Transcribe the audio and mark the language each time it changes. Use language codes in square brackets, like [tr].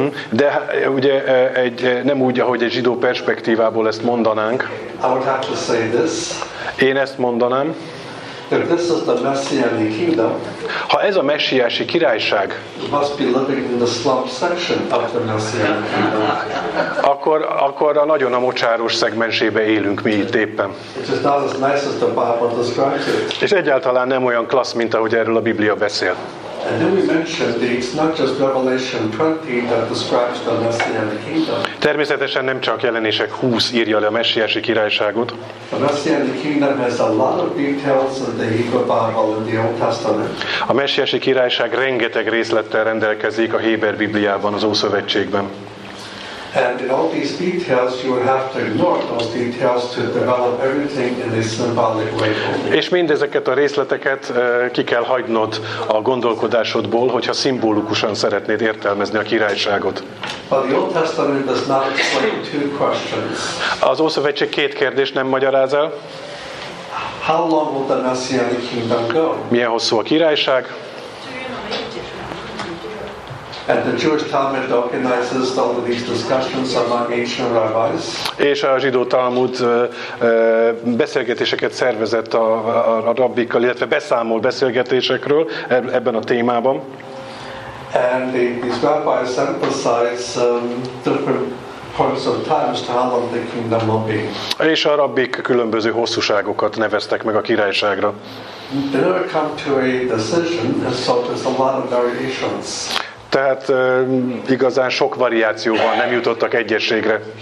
[hu] De ugye egy nem úgy, ahogy egy zsidó perspektívából ezt mondanánk. [en] I would have to say this. [hu] Én ezt mondanám. [en] If this is the messianic kingdom, [hu] ha ez a messiási királyság, [en] must be living in the slum section of the messianic kingdom. [hu] Akkor a nagyon a mocsáros szegmensébe élünk mi itt éppen. [en] It is not as nice as the Bible describes it. [hu] És egyáltalán nem olyan klassz, mint ahogy erről a Biblia beszél. [en] And then we mentioned that it's not just Revelation 20 that describes the messianic kingdom. [hu] Természetesen nem csak Jelenések 20 írja le a messiási királyságot. [en] The messianic kingdom has a lot of details in the Hebrew Bible and the Old Testament. [hu] A messiási királyság rengeteg részlettel rendelkezik a Héber Bibliában, az Ószövetségben. [en] And in all these details, you will have to ignore those details to develop everything in a symbolic way. [hu] És mindezeket a részleteket ki kell hagynod a gondolkodásodból, hogyha szimbolikusan szeretnéd értelmezni a királyságot. [en] But the Old Testament does not explain two questions. [hu] Az Ószövetség két kérdés nem magyaráz el. [en] How long will the Messianic kingdom go? [hu] Milyen hosszú a királyság? [en] And the Jewish Talmud organizes all of these discussions among ancient rabbis. [hu] És a zsidó Talmud beszélgetéseket szervezett a rabbikkal, illetve beszámol beszélgetésekről ebben a témában. [en] And these rabbis emphasize different points of times to how long the kingdom will be. [hu] És a rabbik különböző hosszúságokat neveztek meg a királyságra. [en] They never come to a decision, and so there's a lot of variations. [hu] Tehát igazán sok variációban nem jutottak egyességre.